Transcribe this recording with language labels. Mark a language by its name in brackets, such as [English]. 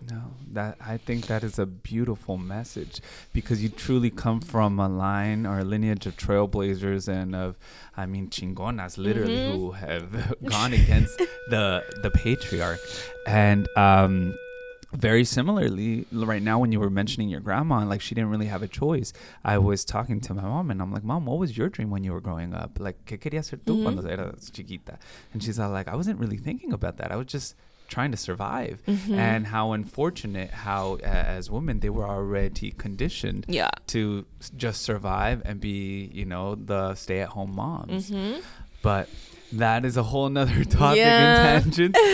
[English] No, that I think that is a beautiful message, because you truly come from a line or a lineage of trailblazers and of, I mean, chingonas, literally, who have gone against the patriarch. And very similarly, right now when you were mentioning your grandma, like she didn't really have a choice. I was talking to my mom and I'm like, Mom, what was your dream when you were growing up? [Spanish] Like, ¿qué querías hacer tú cuando eras chiquita? [English] And she's all like, I wasn't really thinking about that. I was just trying to survive. Mm-hmm. And how unfortunate how as women, they were already conditioned to just survive and be, you know, the stay-at-home moms. But that is a whole nother topic and tangent.